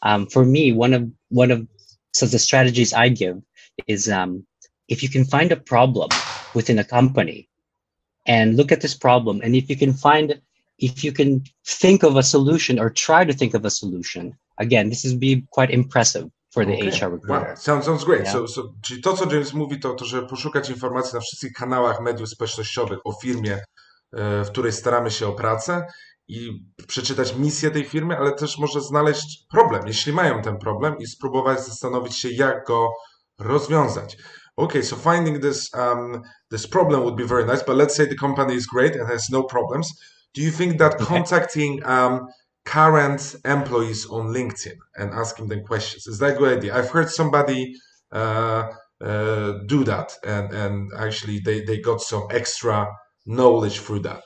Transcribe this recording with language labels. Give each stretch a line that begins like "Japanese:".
English: For me, one of the strategies I give is if you can find a problem within a company and look at this problem, and if you can think of a solution or try to think of a solution, again, this is be quite impressive for the HR recruiter. Wow. Sounds great. Yeah.
Polish: So czyli to, co James mówi, to żeby poszukać informacji na wszystkich kanałach mediów społecznościowych o firmie, w której staramy się o pracę, i przeczytać misję tej firmy, ale też może znaleźć problem, jeśli mają ten problem, i spróbować zastanowić się, jak go rozwiązać.
English: Okay, so finding this problem would be very nice, but let's say the company is great and has no problems. Do you think that contacting current employees on LinkedIn and asking them questions, is that a good idea? I've heard somebody do that, and actually they got some extra knowledge through that.